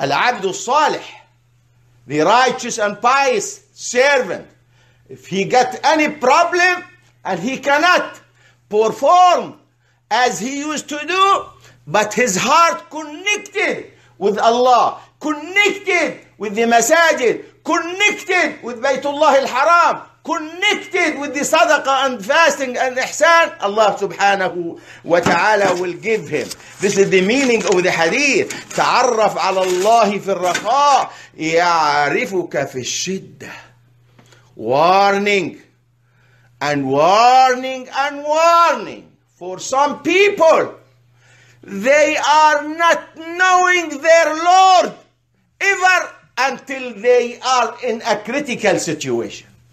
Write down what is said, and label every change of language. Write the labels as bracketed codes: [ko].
[ar] الْعَبْدُ الصَّالِحُ, [en] the righteous and pious servant, if he get any problem and he cannot perform as he used to do, but his heart connected with Allah, connected with the masajid, connected with Baytullah al-Haram, connected with the sadaqah and fasting and ihsan, Allah subhanahu wa ta'ala will give him. This is the meaning of the hadith. [ar] تعرف على الله في الرخاء يعرفك في الشدة. [en] Warning and warning and warning for some people. They are not knowing their Lord ever until they are in a critical situation.